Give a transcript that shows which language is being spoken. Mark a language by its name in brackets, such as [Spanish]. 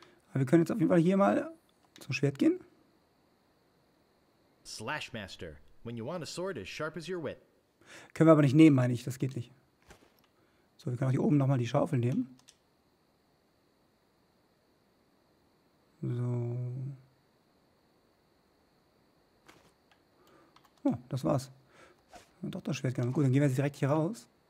[German] Aber wir können jetzt auf jeden Fall hier mal zum Schwert gehen. [English] Slashmaster, when you want a sword as sharp as your wit. [German] Können wir aber nicht nehmen, meine ich. Das geht nicht. So, wir können auch hier oben nochmal die Schaufel nehmen. So. Oh, das war's. Und doch das Schwert genommen. Gut, dann gehen wir jetzt direkt hier raus.